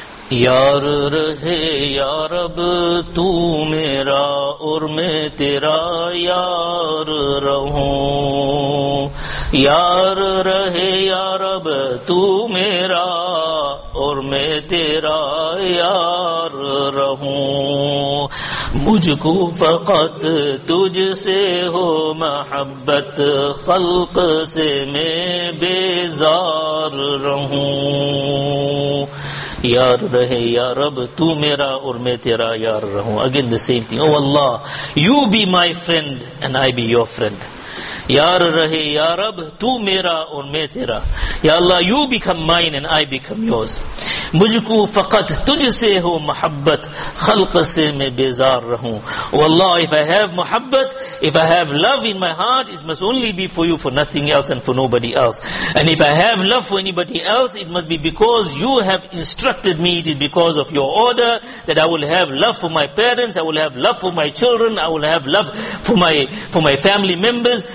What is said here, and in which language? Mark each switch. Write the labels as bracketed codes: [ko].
[ur] یار رہے یا رب تو میرا اور میں تیرا یار رہوں, یار رہے یا رب تو میرا اور میں تیرا یار رہوں, مجھ کو فقط تجھ سے ہو محبت, خلق سے میں بیزار رہوں. یار رہے یا رب تو میرا اور میں تیرا یار رہوں. [en] Again the same thing. Oh Allah, you be my friend and I be your friend. [ur] یار رہے یا رب تو میرا اور میں تیرا. [en] یا اللہ, you become mine and I become yours. [ur] مجھ کو فقط تجھ سے ہو محبت, خلق سے میں بیزار رہوں. [en] Oh Allah, if I have محبت, if I have love in my heart, it must only be for you, for nothing else and for nobody else. And if I have love for anybody else, it must be because you have instructed me, it is because of your order that I will have love for my parents, I will have love for my children, I will have love for my family members.